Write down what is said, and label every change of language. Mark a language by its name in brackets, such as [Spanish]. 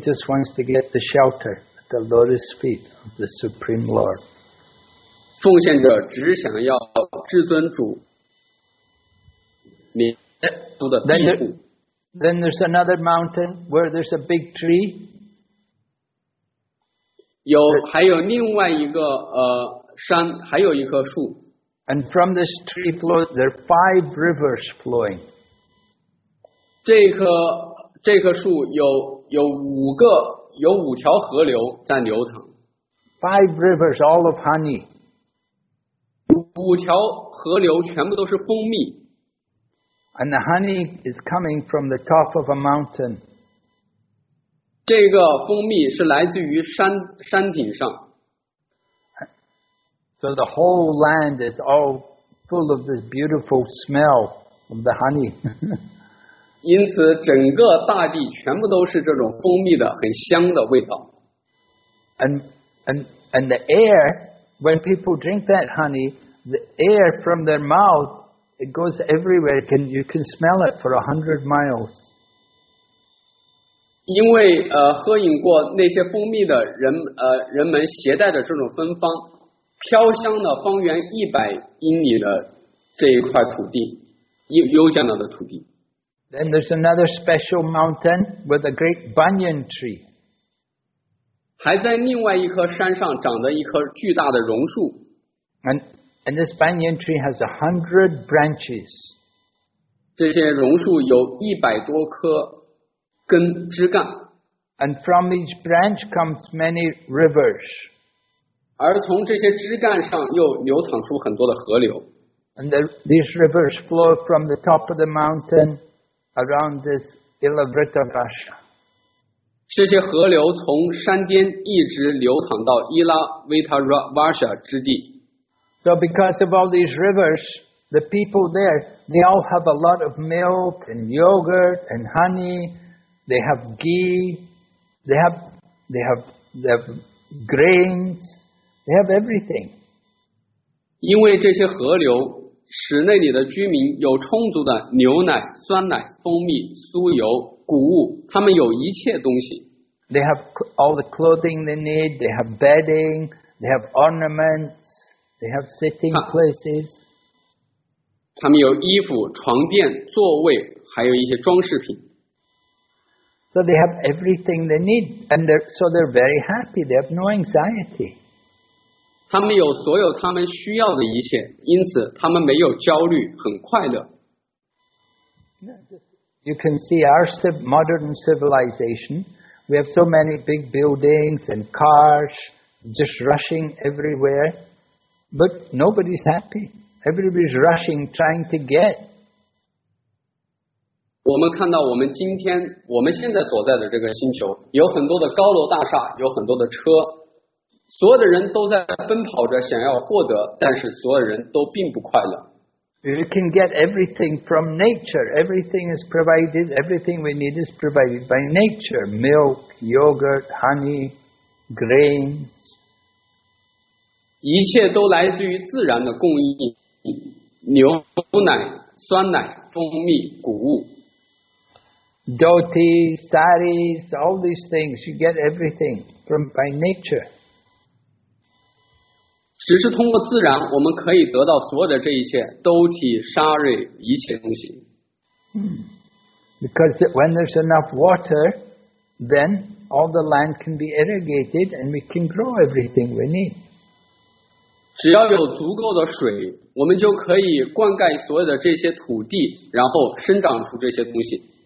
[English] just wants to get the shelter at the lotus feet of the Supreme Lord. [Chinese] 奉献者只想要至尊主，您住的庇护。 [English] Then there's another mountain where there's a big tree. [Chinese] 还有另外一个山，还有一棵树。 [English] And from this tree flows, there are five rivers flowing. [Chinese] 这棵树有五条河流在流淌。 [English] Five rivers, all of honey. [Chinese] 五条河流全部都是蜂蜜。 [English] And the honey is coming from the top of a mountain. [Chinese] 这个蜂蜜是来自于山顶上。 [English] So the whole land is all full of this beautiful smell of the honey. [Chinese] 因此整个大地全部都是这种蜂蜜的很香的味道。 [English] And the air, when people drink that honey, the air from their mouth, it goes everywhere. You can smell it for 100 miles. [Chinese] 因为喝饮过那些蜂蜜的人们携带的这种芬芳，飘香的方圆100英里的这一块土地，优加纳的土地。 [English] Then there's another special mountain with a great banyan tree. [Chinese] 还在另外一棵山上长着一棵巨大的榕树。 [English] And this banyan tree has 100 branches. [Chinese] 这些榕树有100多棵根枝干。 [English] And from each branch comes many rivers. [Chinese] 而从这些枝干上又流淌出很多的河流。 [English] And these rivers flow from the top of the mountain. Around this Ilavritavarsha. [Chinese] 这些河流从山巅一直流淌到伊拉维塔瓦沙之地。 [English] So because of all these rivers, the people there, they all have a lot of milk and yogurt and honey. They have ghee. They have grains. They have everything. [Chinese] 因为这些河流使那里的居民有充足的牛奶、酸奶、蜂蜜、酥油、谷物，他们有一切东西。 [English] They have all the clothing they need. They have bedding. They have ornaments. They have sitting places. [Chinese] 他们有衣服、床垫、座位，还有一些装饰品。 [English] So they have everything they need, and they're very happy. They have no anxiety. [Chinese] 他们有所有他们需要的一切，因此他们没有焦虑，很快乐。 [English] You can see our modern civilization. We have so many big buildings and cars just rushing everywhere, but nobody's happy. Everybody's rushing, trying to get. [Chinese] 我们看到我们现在所在的这个星球，有很多的高楼大厦，有很多的车。所有的人都在奔跑着想要获得，但是所有人都并不快乐。 [English] You can get everything from nature. Everything is provided. Everything we need is provided by nature. Milk, yogurt, honey, grains. [Chinese] 一切都来自于自然的供应，牛奶、酸奶、蜂蜜、谷物。 [English] Dhoti, saris, all these things, you get everything from by nature. [Chinese] 只是通过自然，我们可以得到所有的这一切，兜提、沙瑞，一切东西。 [English] Because when there's enough water, then all the land can be irrigated and we can grow everything we need. [Chinese] 只要有足够的水，我们就可以灌溉所有的这些土地，然后生长出这些东西。